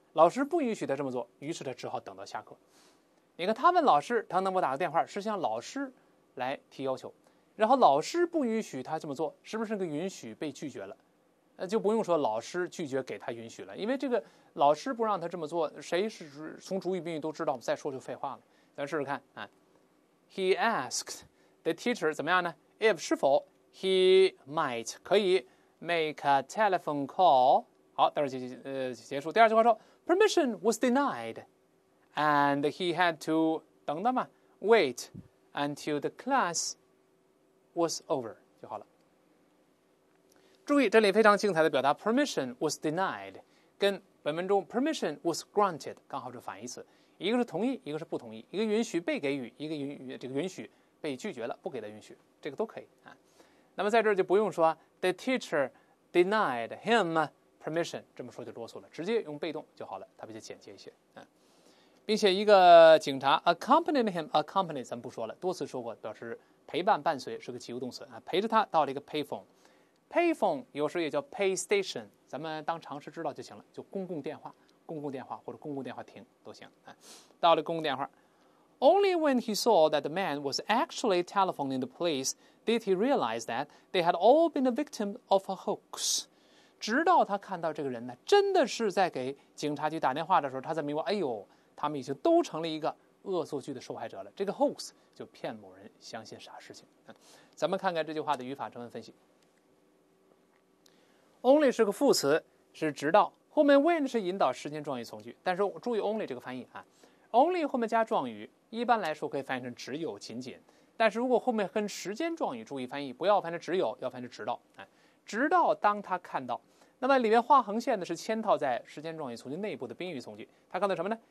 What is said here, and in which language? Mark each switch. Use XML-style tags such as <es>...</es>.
<zh>老师不允许他这么做，于是他只好等到下课。你看，他问老师，他能否打个电话，是向老师来提要求，然后老师不允许他这么做，是不是那个允许被拒绝了？就不用说老师拒绝给他允许了，因为这个老师不让他这么做，谁是从主语宾语都知道，我们再说就废话了。咱试试看啊。</zh> <en>He asked the teacher</en> <zh>怎么样呢？</zh> <en>If</en> <zh>是否</zh> <en>he might</en> <zh>可以</zh> <en>make a telephone call。</en> <zh>好，待会儿结束。第二句话说</zh> <en>permission was denied and he had to</en> <zh>等等嘛</zh> <en>wait until the class was over</en> <zh>就好了。注意这里非常精彩的表达</zh> <en>permission was denied</en> <zh>跟本文中</zh> <en>permission was granted</en> <zh>刚好是反义词，一个是同意，一个是不同意，一个允许被给予，一个 允许被拒绝了，不给他允许，这个都可以、啊、那么在这儿就不用说</zh> <en>the teacher denied him permission，</en> <zh>这么说就啰嗦了，直接用被动就好了，它比较简洁一些、啊、并且一个警察</zh> <en>accompanied him，</en> <zh>accompanied 咱们不说了，多次说过表示陪伴伴随，是个及物动词、啊、陪着他到了一个 payphonePayphone 有时候也叫</zh> <en>pay station，</en> <zh>咱们当常识知道就行了，就公共电话，公共电话或者公共电话亭都行、啊、到了公共电话。</zh> <en>Only when he saw that the man was actually telephoning the police did he realize that they had all been a victim of a hoax。</en> <zh>直到他看到这个人呢真的是在给警察局打电话的时候，他才明白，哎呦，他们已经都成了一个恶作剧的受害者了，这个 hoax 就骗某人相信啥事情、啊、咱们看看这句话的语法成分分析。 Only 是个副词，是直到，后面 when 是引导时间状语从句，但是注意 only 这个翻译啊， only 后面加状语一般来说可以翻译成只有仅仅，但是如果后面跟时间状语，注意翻译不要翻成只有，要翻成直到、啊、直到当他看到，那么里面画横线的是嵌套在时间状语从句内部的宾语从句，他看到什么呢？</zh>